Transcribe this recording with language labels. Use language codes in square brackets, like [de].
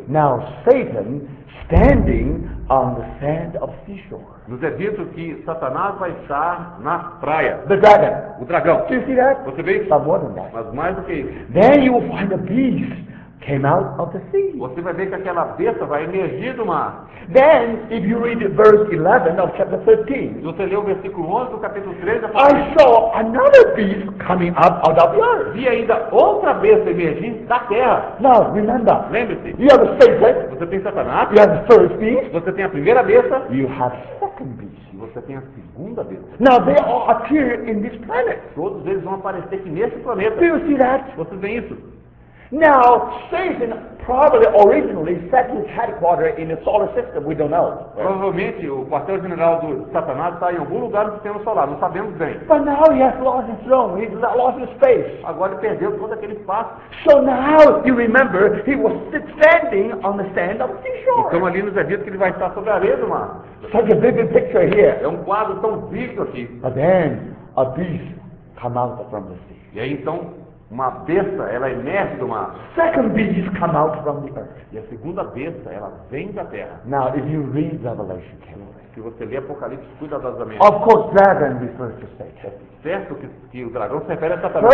[en] Now Satan standing on the sand of seashore. [pt] Nos é dito que Satanás vai estar na praia. [en] The dragon. [pt] O dragão. [en] Do you see that? [pt] Você vê isso? [en] But more than that. [pt] Mas mais do que isso. [en] Then you will find a beast came out of the sea. [pt] Você vai ver que aquela besta vai emergir do mar. [en] Then, if you read verse 11 of chapter 13, [pt] se você ler o versículo 11 do capítulo 13, [en] I saw another beast coming up out of the earth. [pt] Vi ainda outra besta emergir da terra. [en] Now, remember. [pt] Lembre-se. [en] You have a Satan. [pt] Você tem Satanás. [en] You have the first beast. [pt] Você tem a primeira besta. [en] You have second beast. [pt] Você tem a segunda vez. [en] Now they all appear in this planet. [pt] Todos eles vão aparecer aqui nesse planeta. [en] Do you see that? [pt] Vocês veem isso? [en] Now, Satan probably originally set his headquarters in the solar system. We don't know. [pt] Provavelmente o quartel-general do Satanás está em algum lugar do sistema solar. Não sabemos bem. [en] But now he has lost his throne. He has lost his space. [pt] Agora ele perdeu todo aquele espaço. [en] So now, you remember, he was standing on the sand of the seashore. [pt] Então ali nos é dito que ele vai estar sobre a areia do mar. [en] Such a vivid picture here. [pt] É um quadro tão vivo aqui. [en] But then, a beast come out from the sea. [pt] E aí então uma besta, ela emerge do mar. [en] Second beast come out from the earth. [pt] E a segunda besta, ela vem da terra. [en] Now, if you read Revelation carefully, [pt] se você ler Apocalipse cuidadosamente, [en] of course, dragon refers to Satan. [pt] É certo que o dragão se refere a Satanás.